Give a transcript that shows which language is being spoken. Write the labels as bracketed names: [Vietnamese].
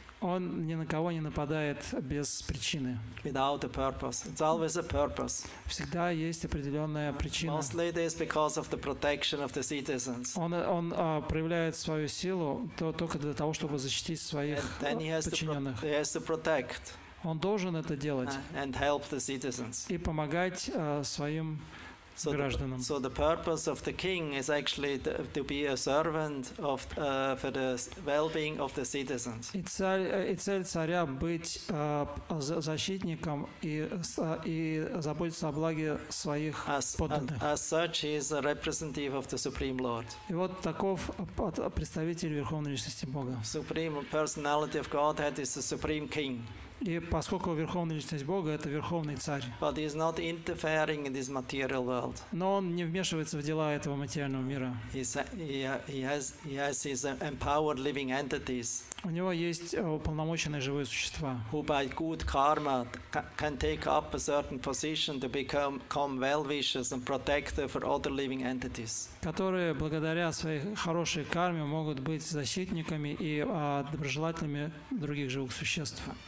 [Russian] Он ни на кого не нападает без причины. [English] Without a purpose. It's always a purpose. [Russian] Всегда есть определенная причина. [English] Mostly it is because of the protection of the citizens. [Russian] Он проявляет свою силу только для того, чтобы защитить своих подчиненных. [English] He has to protect. [Russian] Он должен это делать. [English] And help the citizens. [Russian] И помогать своим гражданам. [English] So the purpose of the king is actually to be a servant of for the well-being of the citizens. [Russian] И цель царя быть защитником и заботиться о благе своих подданных. [English] As such, he is a representative of the Supreme Lord. [Russian] И вот таков представитель Верховной Личности Бога. [English] Supreme personality of Godhead is the Supreme King. [Russian] И поскольку Верховная Личность Бога — это Верховный Царь. [English] But he is not interfering in this material world. [Russian] Но он не вмешивается в дела этого материального мира. [English] He has empowered living entities. [Russian] У него есть уполномоченные живые существа. [English] Who by good karma can take up a certain position to become well-wishers and protector for other living entities. [Russian] Которые благодаря своей хорошей карме могут быть защитниками и доброжелателями других живых существ.